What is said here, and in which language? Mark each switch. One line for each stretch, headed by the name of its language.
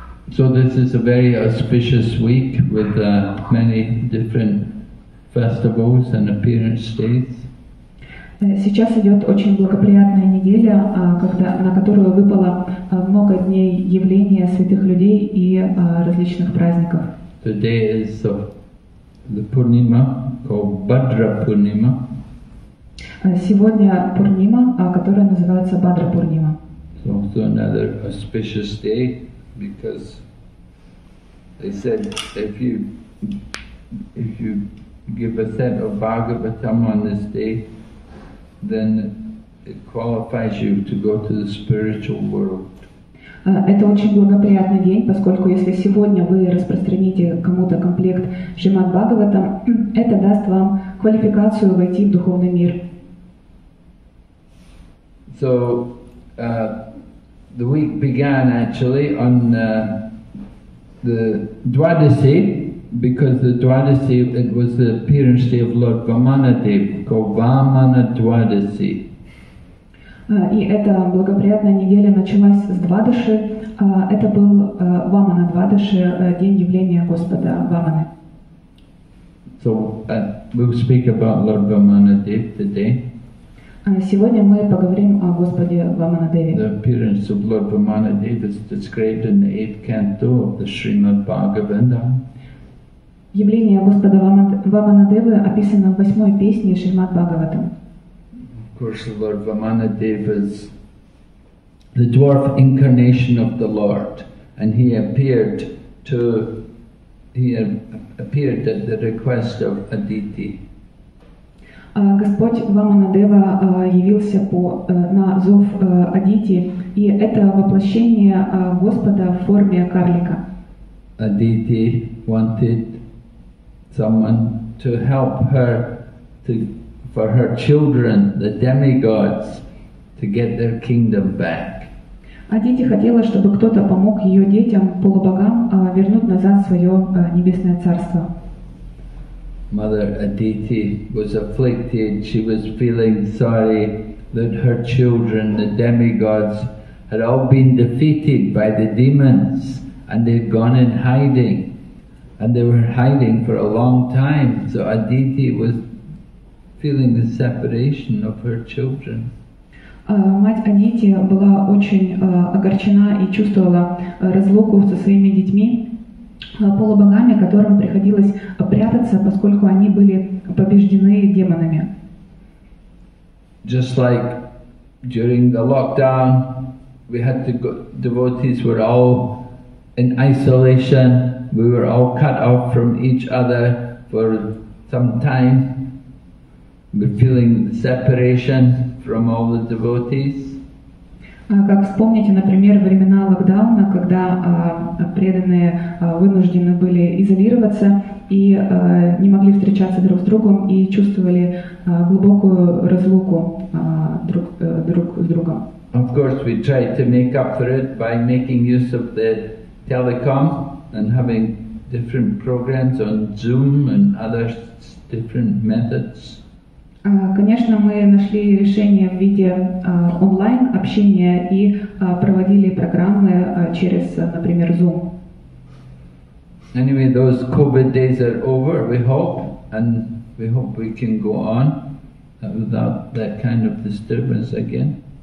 English: So this is a very auspicious week with many different festivals and appearance dates.
Russian: Сейчас идет очень благоприятная неделя, на которую выпало много дней явления святых людей и различных праздников.
English: Today is the Purnima called Bhadra Purnima.
Russian: Сегодня Пурнима, которая называется Бадра Пурнима.
English: So another auspicious day because they said if you give a set of Bhagavatam on this day, then it qualifies you to go to the spiritual world.
Russian: Это очень благоприятный день, поскольку если сегодня вы распространите кому-то комплект Шримад Бхагаватам, это даст вам квалификацию войти в духовный мир.
English: So the week began actually on the Dwadasi, because the Dwadasi, it was the appearance day of Lord Vamanadev, called Vamana Dwadasi.
Russian: И эта благоприятная неделя началась с Двадаши. Это был Вамана Двадаши, день явления Господа Ваманы.
English: So we'll speak about Lord Vamanadev today.
Russian: Сегодня мы поговорим о Господе Ваманадеве.
English: The appearance of Lord Vamanadev is described in the 8th canto of the Srimad Bhagavatam.
Russian: Явление Господа Ваманадевы описано в 8-й песне Шримад Бхагаватам.
English: Of course, Lord Vamanadev is the dwarf incarnation of the Lord, and he appeared at the request of Aditi.
Russian: Господь Ваманадева явился на зов Адити, и это воплощение Господа в форме карлика.
English: Aditi wanted someone to help her for her children, the demigods, to get their kingdom back.
Russian: Адити хотела, чтобы кто-то помог ее детям, полубогам, вернуть назад свое небесное царство.
English: Mother Aditi was afflicted. She was feeling sorry that her children, the demigods, had all been defeated by the demons, and they'd gone in hiding. And they were hiding for a long time. So Aditi was feeling the separation of her children.
Russian: Мать Адити была очень огорчена и чувствовала разлуку со своими детьми, полубогами, которым приходилось прятаться, поскольку они были побеждены демонами.
English: Just like during the lockdown, we had to go, devotees were all in isolation, we were all cut off from each other for some time. We're feeling separation from all the devotees.
Russian: Как вспомните, например, времена локдауна, когда преданные вынуждены были изолироваться и не могли встречаться друг с другом и чувствовали глубокую разлуку друг с другом.
English: Of course, we tried to make up for it by making use of the telecom and having different programs on Zoom and other different methods.
Russian: Конечно, мы нашли решение в виде онлайн общения и проводили программы через, например, Zoom.
English: Anyway, those COVID days are over, we hope, and we hope we can go on without that kind of disturbance again.